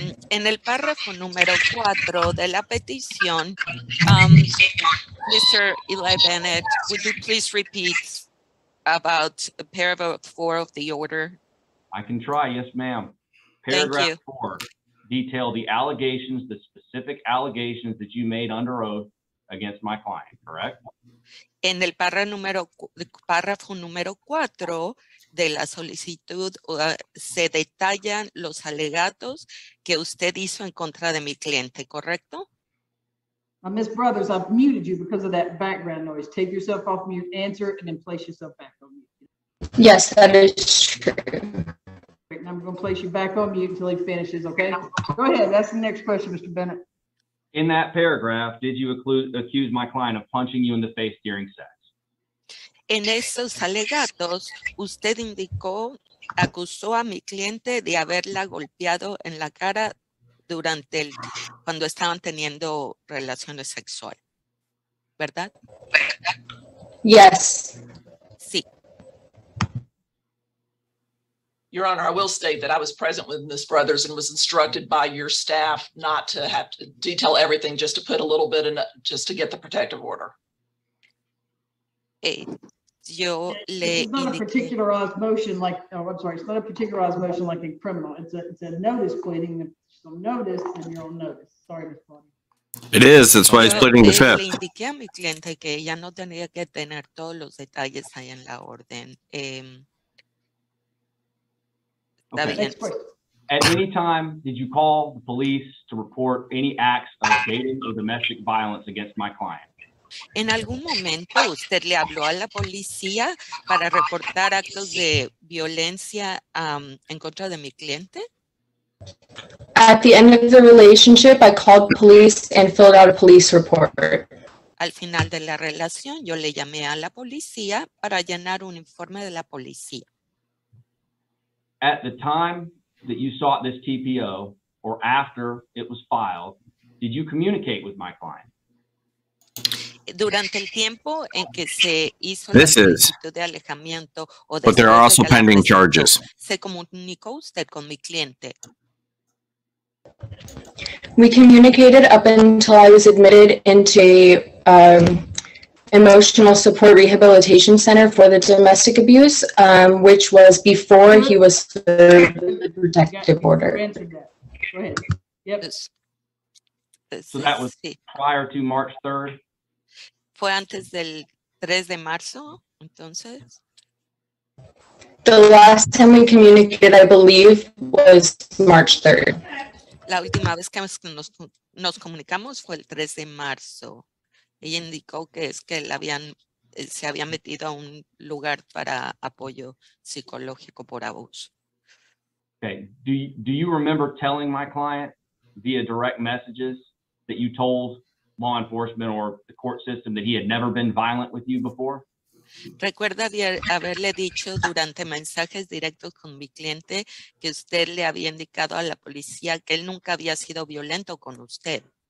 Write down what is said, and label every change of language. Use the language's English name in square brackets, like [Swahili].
[Spanish] En el párrafo número 4 de la petición, Mr. [English] Eli Bennett, would you please repeat about paragraph 4 of the order? I can try, yes, ma'am. Paragraph 4, detail the allegations, the specific allegations that you made under oath against my client, correct? [Spanish] En el párrafo número 4 de la solicitud se detallan los alegatos que usted hizo en contra de mi cliente, ¿correcto? [English] Miss Brothers, I've muted you because of that background noise. Take yourself off mute, answer, and then place yourself back on mute. Yes, that is true. I'm going to place you back on mute until he finishes, okay? Go ahead, that's the next question, Mr. Bennett. In that paragraph, did you accuse my client of punching you in the face during sex? [Spanish] En esos alegatos, usted acusó a mi cliente de haberla golpeado en la cara cuando estaban teniendo relaciones sexuales, ¿verdad? [English] Yes. [Spanish] Sí. [English] Your Honor, I will state that I was present with Ms. Brothers and was instructed by your staff not to have to detail everything, just to put a little bit in, just to get the protective order. It's not a particularized motion like, I'm sorry, it's not a particularized motion like a criminal. It's a notice pleading. So notice and you're on notice. Sorry, Ms. It is. That's why he's pleading the fifth. [Spanish] Le indiqué a mi cliente que ella no tenía que tener todos los detalles ahí en la orden. [English] Okay. At any time, did you call the police to report any acts of dating or domestic violence against my client? [Spanish] En algún momento, usted le habló a la policía para reportar actos de violencia en contra de mi cliente? [English] At the end of the relationship, I called police and filled out a police report. [Spanish] Al final de la relación, yo le llamé a la policía para llenar un informe de la policía. [English] At the time that you sought this TPO, or after it was filed, did you communicate with my client? [Spanish] Durante el tiempo en que se hizo [English] this [Spanish] la solicitud de alejamiento, o [English] but there are also pending charges. [Spanish] ¿Se comunicó usted con mi cliente? [English] We communicated up until I was admitted into Emotional Support Rehabilitation Center for the Domestic Abuse, which was before he was the protective order. Go ahead. Yep. So that was prior to March 3rd? [Spanish] Fue antes del 3 de marzo, entonces. [English] The last time we communicated, I believe, was March 3rd. [Spanish] La última vez que nos comunicamos fue el 3 de marzo. Ella indicó que es que se había metido a un lugar para apoyo psicológico por abuso. [English] Okay. Do you remember telling my client via direct messages that you told law enforcement or the court system that he had never been violent with you before? [Spanish] ¿Recuerda haberle dicho durante mensajes directos con mi cliente que usted le había indicado a la policía que él nunca había sido violento con usted?